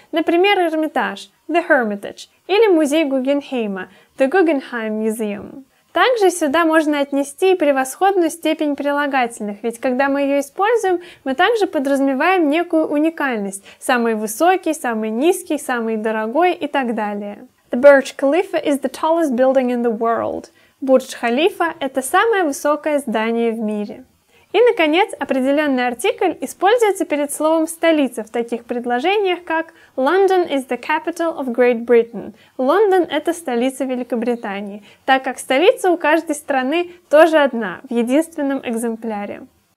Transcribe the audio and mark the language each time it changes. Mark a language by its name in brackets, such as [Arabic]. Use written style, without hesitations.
[Russian] Например, Эрмитаж – The Hermitage или Музей Гугенхейма – The Guggenheim Museum. Также сюда можно отнести и превосходную степень прилагательных, ведь когда мы ее используем, мы также подразумеваем некую уникальность – самый высокий, самый низкий, самый дорогой и так далее. [English] The Burj Khalifa is the tallest building in the world. [Russian] Бурдж Халифа – это самое высокое здание в мире. И, наконец, определенный артикль используется перед словом «столица» в таких предложениях, как «London is the capital of Great Britain». Лондон – это столица Великобритании, так как столица у каждой страны тоже одна, в единственном экземпляре.